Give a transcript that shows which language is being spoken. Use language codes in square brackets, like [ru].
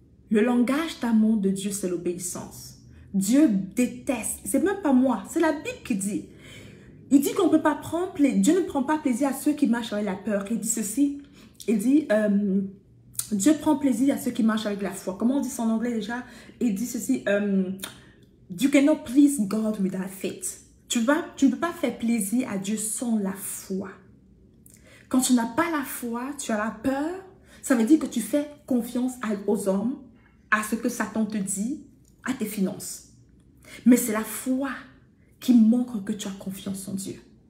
[fr] Le langage d'amour de Dieu, c'est l'obéissance. Dieu déteste. C'est même pas moi. C'est la Bible qui dit. Il dit qu'on peut pas prendre plaisir. Dieu ne prend pas plaisir à ceux qui marchent avec la peur. Il dit ceci. Il dit Dieu prend plaisir à ceux qui marchent avec la foi. Comment on dit ça en anglais déjà? Il dit ceci. [en] You cannot please God without faith. [fr] Tu vois, tu ne peux pas faire plaisir à Dieu sans la foi. Quand tu n'as pas la foi, tu as la peur. Ça veut dire que tu fais confiance aux hommes, à ce que Satan te dit, à tes finances. Mais c'est la foi qui montre que tu as confiance en Dieu.